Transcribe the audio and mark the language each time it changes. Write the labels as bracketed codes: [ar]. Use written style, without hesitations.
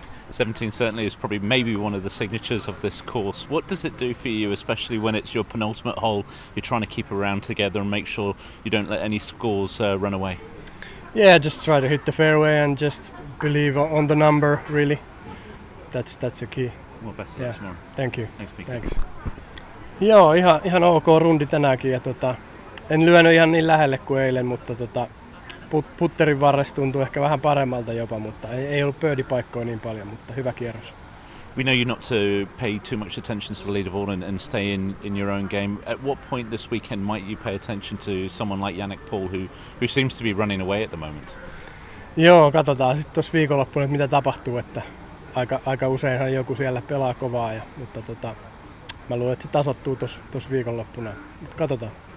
[en] 17 certainly is probably maybe one of the signatures of this course. What does it do for you, especially when it's your penultimate hole, you're trying to keep a round together and make sure you don't let any scores run away? Yeah, just try to hit the fairway and just believe on the number, really. That's the key. Well, best of luck tomorrow. Thank you. Thanks. [fi] Joo, ihan ok rundi tänäänkin. Ja en lyönyt ihan niin lähelle kuin eilen, mutta putterin varressa tuntuu ehkä vähän paremmalta jopa, mutta ei ollut birdie-paikkoa niin paljon, mutta hyvä kierros. [en] We know you're not to pay too much attention to the leaderboard and stay in your own game. At what point this weekend might you pay attention to someone like Yannick Paul, who seems to be running away at the moment? [fi] Joo, katsotaan sitten tuossa viikonloppuun, että mitä tapahtuu. Että aika useinhan joku siellä pelaa kovaa, mutta mä luulen, että se tasoittuu tuossa viikonloppuna. Mutta katsotaan.